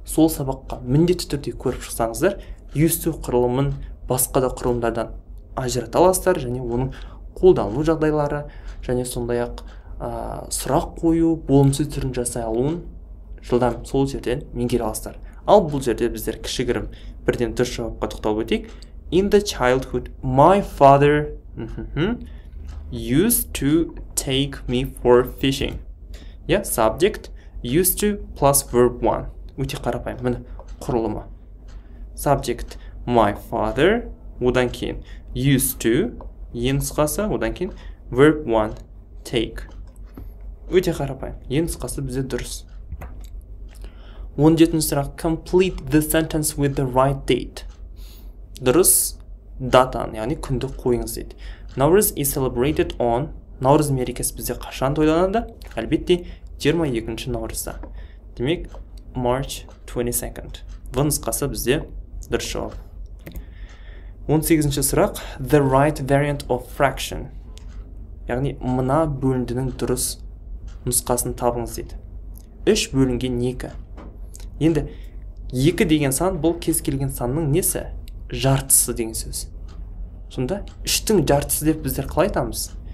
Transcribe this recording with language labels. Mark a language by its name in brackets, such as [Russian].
[Kazakh] Сол сабаққа міндетті түрде көріп шықсаңыздар, used to құрылымын басқа да құрылымдардан ажырата аласыздар және оның қолданылу жағдайлары және сондай-ақ сұрақ қою, болымсыз түрін жасай алуын жылдам сол жерден меңгере аласыздар. Ал бұл жерде біздер кішігірім бірден дұрыс жауапқа тоқталып өтейік. [English] In the childhood, my father used to take me for fishing. Yeah, subject used to plus verb one. [Kazakh] Өте қарапайым, міне құрылымы. [English] Subject my father, [Kazakh] одан кейін [English] used to, [Kazakh] ең нұсқасы, [English] одан кейін verb one take. [Kazakh] Өте қарапайым, ең нұсқасы бізде дұрыс. 17-ші сұрақ, [English] complete the sentence with the right date. [Kazakh] Дұрыс датаны, яғни күнді қойыңыз дейді. Наурыз [English] is celebrated on, [Kazakh] Наурыз мерекесі бізде қашан тойланады? Әлбетте, 22-ші наурызда. Демек, March 22nd. Бұл нұсқасы бізде дұрыс жауап. 18-ші сұрақ, [English] the right variant of fraction. [Kazakh] Яғни, мына бөлінгеннің дұрыс нұсқасын табыңыз дейді. 3 бөлінген 2. Енді 2 деген сан бұл кез келген санның несі? Жартысы деген сөз. Сонда 3-тің жартысы деп біздер қалай айтамыз?